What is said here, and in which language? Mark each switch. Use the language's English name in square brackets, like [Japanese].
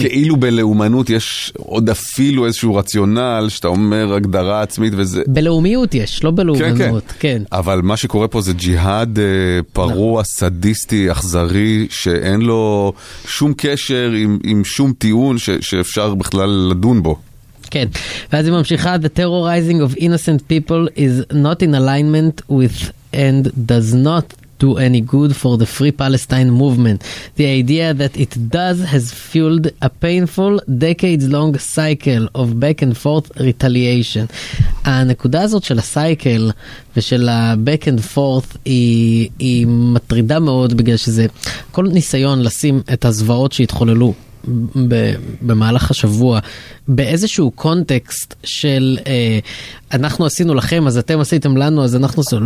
[Hebrew] כאילו בלאומנות יש עוד אפילו איזשהו רציונל, שאתה אומר הגדרה עצמית וזה... בלאומיות יש, לא בלאומנות, כן. אבל מה שקורה פה זה ג'יהאד פרוע, סדיסטי, אכזרי, שאין לו שום קשר עם שום טיעון שאפשר בכלל לדון בו. כן, ואז היא ממשיכה, [English] the terrorizing of innocent people is not in alignment with and does not do any good for the Free Palestine movement. The idea that it does has fueled a painful decades-long cycle of back and forth retaliation. [Hebrew] הנקודה הזאת של הסייקל ושל ה- [English] back and forth [Hebrew] היא מטרידה מאוד, בגלל שזה כל ניסיון לשים את הזוועות שהתחוללו במהלך השבוע באיזשהו קונטקסט של אנחנו עשינו לכם אז אתם עשיתם לנו אז אנחנו עשינו.